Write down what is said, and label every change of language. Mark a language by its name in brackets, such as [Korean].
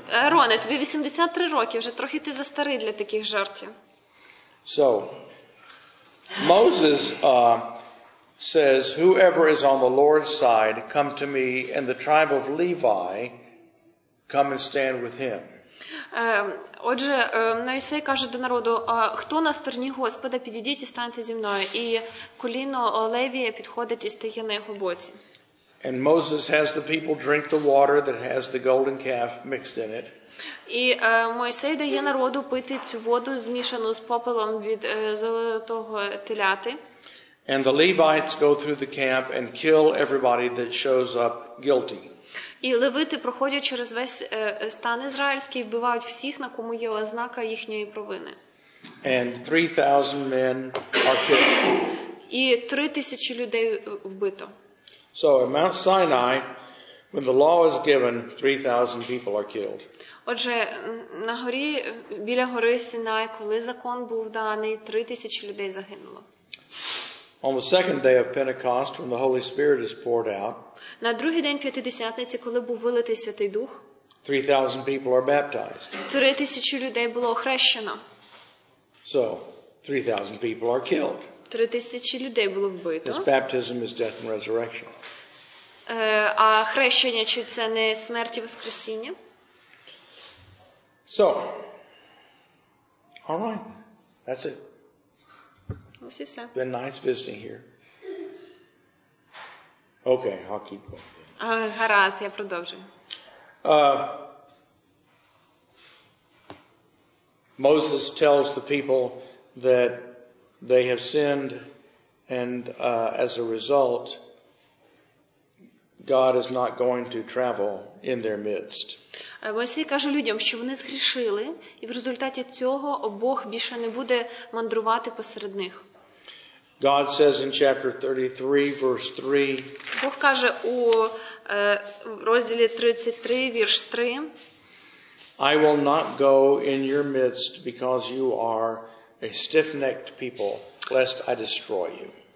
[Ukrainian] Роне, тобі 83 роки, вже трохи ти застарий для таких жартів. [English] So, Moses says, whoever is on the Lord's side, come to me, and the tribe of Levi, come and stand with him. [Ukrainian] Отже, Мойсей каже до народу, хто на стороні Господа, підійдіть і станьте зі мною. І коліно Левія підходить і стає на його боці. [English] And Moses has the people drink the water that has the golden calf mixed in it. [Ukrainian] І Мойсей дає народу пити цю воду, змішану з попелом від золотого теляти. [English] And the Levites go through the camp and kill everybody that shows up guilty. [Ukrainian] І левити проходять через весь стан ізраїльський, вбивають всіх, на кому є ознака їхньої провини. [English] And 3,000 men are killed. [Ukrainian] І 3,000 людей вбито. [English] So at Mount Sinai, when the law is given, 3,000 people are killed. [Ukrainian] Отже, на горі, біля гори Синай, коли закон був даний, 3,000 людей загинуло. [English] On the second day of Pentecost, when the Holy Spirit is poured out, [Ukrainian] на другий день П'ятидесятниці, коли був вилитий Святий Дух, [English] 3,000 people are baptized. [Ukrainian] 3,000 людей було охрещено. [English] So, 3,000 people are killed. [Ukrainian] 3,000 людей було вбито. [English] This baptism is death and resurrection. [Ukrainian] А хрещення, чи це не смерть і воскресіння? [English] So, all right, that's it. [Ukrainian] Ось і все. [English] Been nice visiting here. Okay, I'll keep going. [Ukrainian] Гаразд, я продовжую. [English] Moses tells the people that they have sinned, and as a result, God is not going to travel in their midst. [Ukrainian] Мойсей каже людям, що вони згрішили, і в результаті цього Бог більше не буде мандрувати посеред них. [English] God says in chapter 33, verse 3, [Ukrainian] Бог каже у розділі 33, вірш 3, [English] I will not go in your midst because you are a stiff-necked people, lest I destroy you.